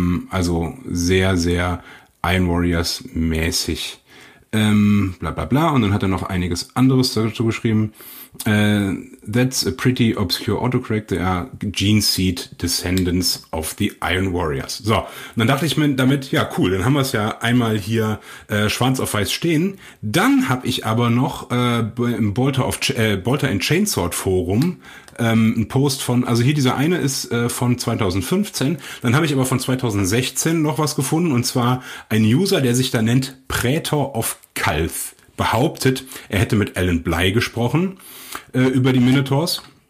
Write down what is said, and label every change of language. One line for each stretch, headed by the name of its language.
German: Also sehr, sehr Iron Warriors mäßig. Und dann hat er noch einiges anderes dazu geschrieben.
English: That's a pretty obscure autocorrect. They are gene seed descendants of the Iron Warriors.
German: So, und dann dachte ich mir damit, ja cool, dann haben wir es ja einmal hier schwarz auf weiß stehen. Dann habe ich aber noch im Bolter and Chainsword Forum ein Post von, also hier dieser eine ist von 2015, dann habe ich aber von 2016 noch was gefunden, und zwar ein User, der sich da nennt Praetor of Kalth, behauptet, er hätte mit Alan Bly gesprochen über die Minotaurs,